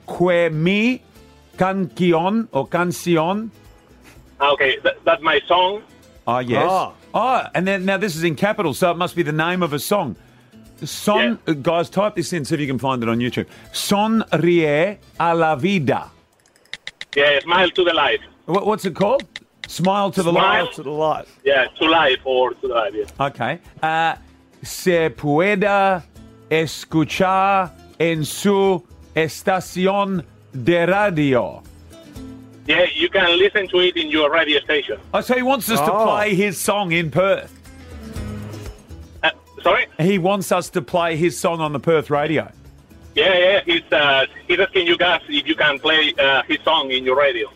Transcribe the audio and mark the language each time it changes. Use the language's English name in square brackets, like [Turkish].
[Spanish] Que mi canción o canción. [English] Okay, that's my song. Ah, yes. Oh, and then now this is in capital, so it must be the name of a song. Son, yeah. Guys, type this in, see if you can find it on YouTube. Sonríe a la vida. Yeah, smile to the life. What's it called? Smile to the smile life. Smile to the life. Yeah, to life or to the life, yeah. Okay. [Spanish] Se pueda escuchar en su estación de radio. [English] Yeah, you can listen to it in your radio station. Oh, so he wants us to play his song in Perth. Sorry? He wants us to play his song on the Perth radio. Yeah, he's asking you guys if you can play his song in your radio.